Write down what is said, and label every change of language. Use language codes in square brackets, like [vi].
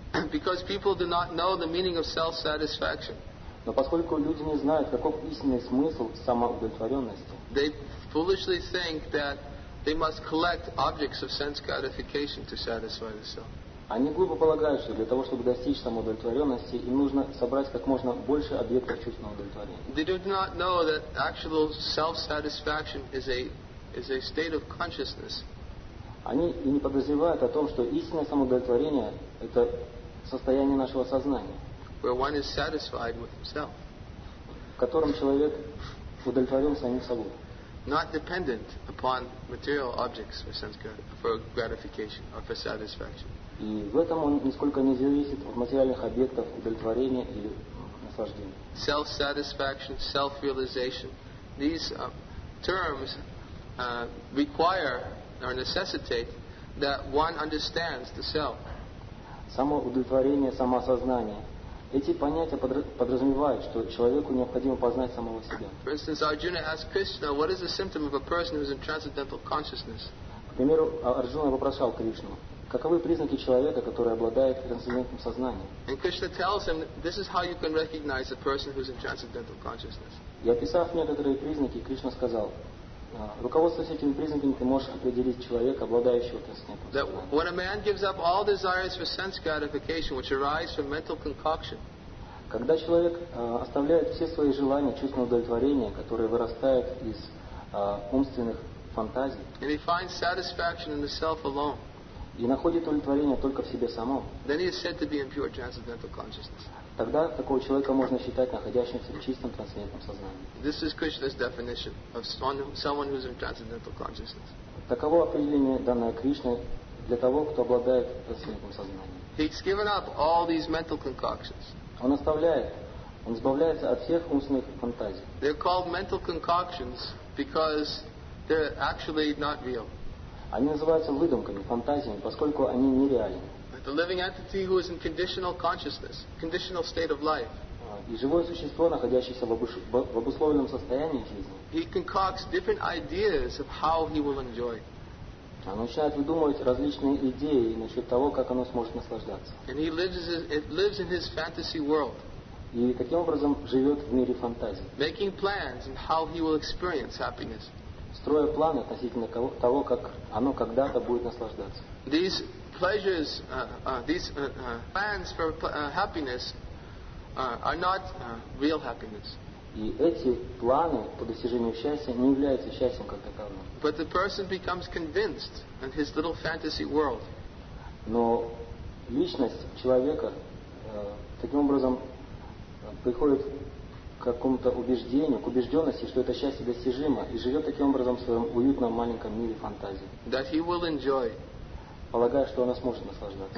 [en] Because people do not know the meaning of self-satisfaction. [ru] Но поскольку люди не знают, каков истинный смысл самоудовлетворенности, [en] they foolishly think that they must collect objects of sense gratification to satisfy the self. [ru] Они глупо полагают, что для того, чтобы достичь самоудовлетворенности, им нужно собрать как можно больше объектов чувственного удовлетворения. [en] They do not know that actual self-satisfaction is a state of consciousness. [ru] Они и не подозревают о том, что истинное самоудовлетворение — это состояние нашего сознания, [en] where one is satisfied with himself. [ru] В котором человек удовлетворен самим собой. [en] Not dependent upon material objects for sense for gratification or for satisfaction. [ru] И в этом он нисколько не зависит от материальных объектов удовлетворения или наслаждения. [en] Self-satisfaction, self-realization, these terms require or necessitate that one understands the self. [ru] Самоудовлетворение, самоосознание. Эти понятия подразумевают, что человеку необходимо познать самого себя. [en] For instance, Arjuna asked Krishna, what is the symptom of a person who is in transcendental consciousness? [ru] К примеру, Арджуна вопрошал Кришну, каковы признаки человека, который обладает трансцендентным сознанием? [en] And Krishna tells him, this is how you can recognize a person who is in transcendental consciousness. [ru] И описав некоторые признаки, Кришна сказал, руководствуясь этими признаками, ты можешь определить человека, обладающего трансцендентным сознанием. [en] When a man gives up all desires for sense gratification, which arise from mental concoction, [ru] когда человек оставляет все свои желания, чувственного удовлетворения, которые вырастают из умственных фантазий, [en] and he finds satisfaction in the self alone, [ru] и находит удовлетворение только в себе самом, [en] then he is said to be in pure transcendental consciousness. [ru] Тогда такого человека можно считать находящимся в чистом трансцендентном сознании. [en] This is Krishna's definition of someone who's in transcendental consciousness. [ru] Таково определение, данное Кришной, для того, кто обладает трансцендентным сознанием. [en] He's given up all these mental concoctions. [ru] Он оставляет, он избавляется от всех умственных фантазий. [en] They're called mental concoctions because they're actually not real. [ru] Они называются выдумками, фантазиями, поскольку они нереальны. [en] The living entity who is in conditional consciousness, conditional state of life. [ru] И живое существо, находящееся в обусловленном состоянии жизни, [en] he concocts different ideas of how he will enjoy. [ru] Оно начинает выдумывать различные идеи насчет того, как оно сможет наслаждаться. [en] And he lives in his fantasy world. [ru] И таким образом живет в мире фантазий. [en] Making plans on how he will experience happiness. [ru] Строя планы относительно того, как оно когда-то будет наслаждаться. [en] These pleasures, these plans for happiness are not real happiness. [ru] И эти планы по достижению счастья не являются счастьем как таковым. [en] But the person becomes convinced in his little fantasy world. [ru] Но личность человека таким образом приходит к какому-то убеждению, к убежденности, что это счастье достижимо, и живет таким образом в своем уютном маленьком мире фантазии. [en] That he will enjoy. [ru] Полагая, что оно сможет наслаждаться.